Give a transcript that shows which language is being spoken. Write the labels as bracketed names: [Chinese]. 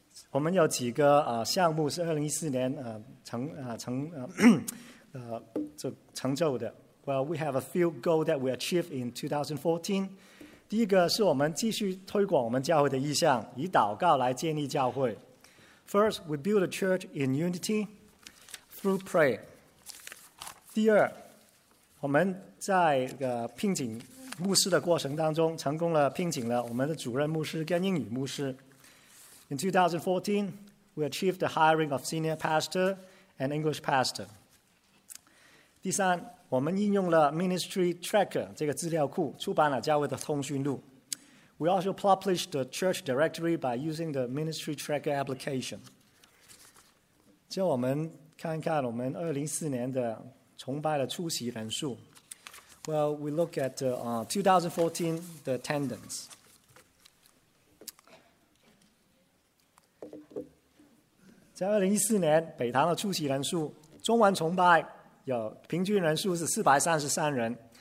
[Chinese] 我们有几个项目是2014年成就的。 [English] Well, we have a few goals that we achieved in 2014. [Chinese] 第一个是我们继续推广我们教会的意向，以祷告来建立教会。 [English] First, we build a church in unity through prayer. [Chinese] 第二，我们在聘请牧师的过程当中，成功了聘请了我们的主任牧师跟英语牧师。 [English] In 2014, We achieved the hiring of senior pastor and English pastor. [Chinese] 第三，我们应用了 Ministry Tracker 这个资料库，出版了教会的通讯录。 [English] We also published the church directory by using the Ministry Tracker application. [Chinese] 接我们看看我们2004年的崇拜的出席人数。 [English] Well, we look at 2014 the attendance. In 2014, [Chinese] 北堂的出席人数，中文崇拜有平均人数是433人。